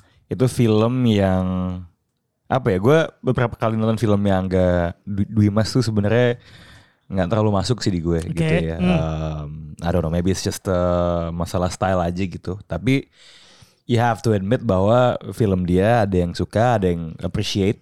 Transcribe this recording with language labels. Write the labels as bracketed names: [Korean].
[Indonesian] Itu film yang apa ya? Gue beberapa kali nonton filmnya Angga Dwi Mas tuh sebenarnya nggak terlalu masuk sih di gue gitu ya. [English] I don't know, maybe it's just [Indonesian] masalah style aja gitu. Tapi [English] you have to admit [Indonesian] bahwa film dia ada yang suka, ada yang appreciate.